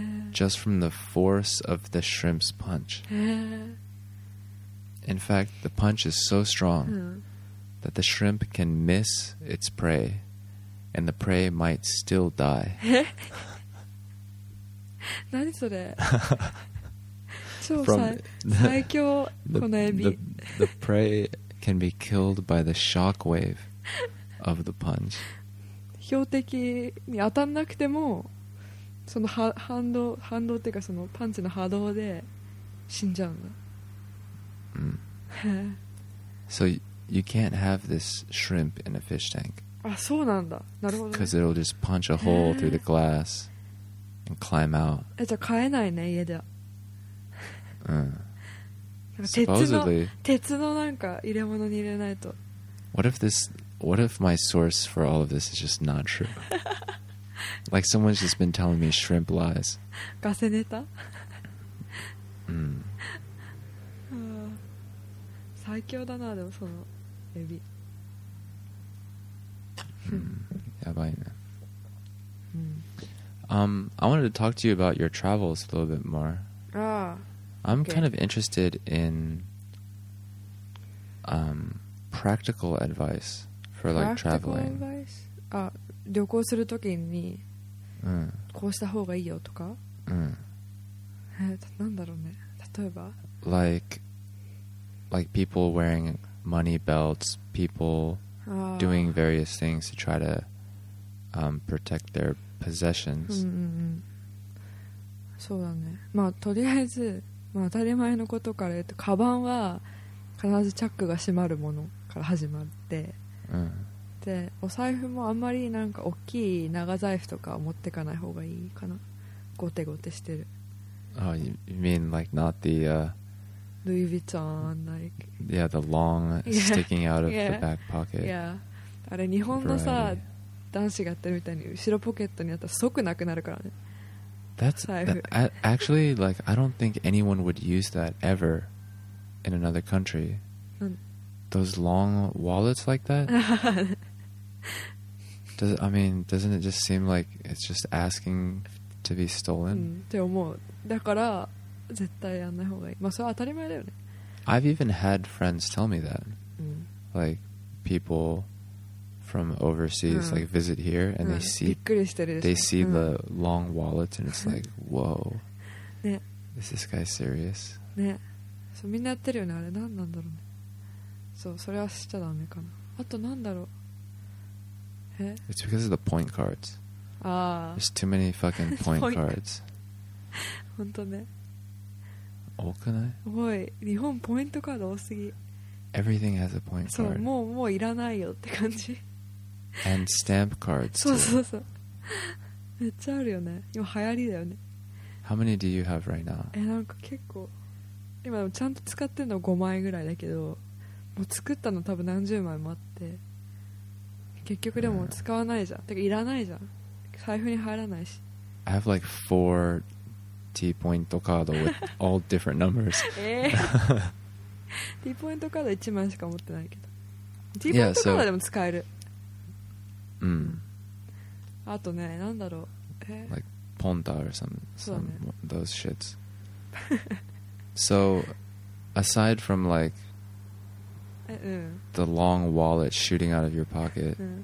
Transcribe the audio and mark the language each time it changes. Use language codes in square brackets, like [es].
[en] Just from the force of the shrimp's punch. In fact, the punch is so strong that the shrimp can miss its prey and the prey might still die. [ja] 何それ超 最強このエビ。 [en] The prey can be killed by the shock wave of the punch. [ja] 標的に当たんなくてもその反動、反動っていうかそのパンチの波動で死んじゃうの。 [en] So you can't have this shrimp in a fish tank. [ja] あ、そうなんだ。なるほど。 [en] Because it'll just punch a hole through the glass and climb out. [ja] え、じゃあ買えないね、家では。 [en] Supposedly. [ja] 鉄のなんか入れ物に入れないと。 [en] What if my source for all of this is just not true? Like someone's just been telling me shrimp lies. [ja] ガセネタ？最強だな、でもそのエビ。やばいね。 [en] I wanted to talk to you about your travels a little bit more. I'm kind of interested in practical advice for like traveling. Practical advice? [ja] 旅行するときに、こうした方がいいよとか。なんだろうね。例えば。 [en] Like people wearing money belts, people doing various things to try to protect their possessions. [ja] そうだね。まあとりあえず、まあ、当たり前のことから言うと、カバンは必ずチャックが閉まるものから始まって、で、お財布もあんまりなんか大きい長財布とか持ってかない方がいいかな。ゴテゴテしてる。 [en] You mean like not the Louis Vuitton, like yeah, the long sticking out of the back pocket. [ja] Yeah, あれ日本のさ。男子がやってるみたいに後ろポケットにあったら即なくなるからね。 [en] That's actually like I don't think anyone would use that ever in another country. Those long wallets like that. doesn't it just seem like it's just asking to be stolen? [ja] って思う。だから絶対やんない方がいい。まあそれは当たり前だよね。 [en] I've even had friends tell me that. Like people. From overseas, like visit here, and they see the long wallets, and it's like, whoa, [ja] ね、 [en] is this guy serious? [ja] ね、そうみんなやってるよね、あれ、なんなんだろうね。そう、それはしちゃダメかな。あとなんだろう。え？ [en] It's because of the point cards. [ja] ああ。 There's too many fucking point cards. 本当ね。多くない？多い。日本ポイントカード多すぎ。 [en] Everything has a point card. [ja] そう、もういらないよって感じ。 [en] And stamp cards. [ja] そうそうそう。めっちゃあるよね。今流行りだよね。 [en] How many do you have right now? [ja] なんか結構今ちゃんと使ってるの5枚ぐらいだけど、もう作ったの多分何十枚もあって、結局でも使わないじゃん、てかいらないじゃん、財布に入らないし。 [en] I have like 4 T ポイントカード with all different numbers. [ja] T ポイントカード1枚しか持ってないけど、 T ポイントカードでも使える。うん、あとね、なんだろう、 [en] like Ponta or some those shits. So aside from like the long wallet shooting out of your pocket,